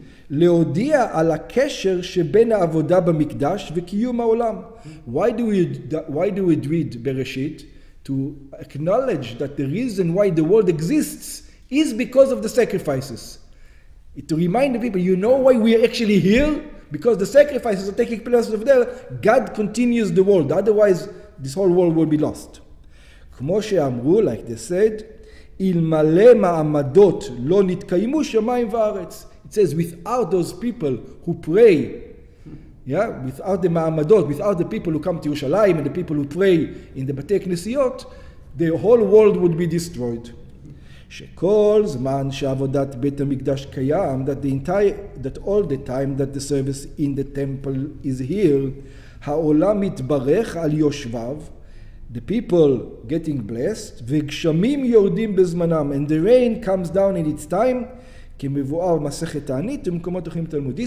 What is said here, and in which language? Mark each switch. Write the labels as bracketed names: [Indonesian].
[Hebrew] להודיע על הקשר שבין העבודה במקדש וקיום העולם. [English] Why do we read בראשית? To acknowledge that the reason why the world exists is because of the sacrifices. To remind the people, you know why we are actually here? Because the sacrifices are taking place over there. God continues the world. Otherwise, this whole world will be lost. [Hebrew] כמו שאמרו, [English] like they said, [Hebrew] אלמלא מעמדות לא נתקיימו שמיים וארץ. [English] It says, without those people who pray, yeah, without the ma'amadot, without the people who come to Yerushalayim and the people who pray in the Batei Knesiyot, the whole world would be destroyed. [Hebrew] Shekol zman she'avodat Beit HaMikdash kayam, [English] that all the time that the service in the temple is here, [Hebrew] ha'olam mitbarech al yoshvav, [English] the people getting blessed, [Hebrew] v'gshamim yordim bezmanam, [English] and the rain comes down in its time, [Hebrew] כמבואר מסכת תענית ומקומות אחרים תלמוד.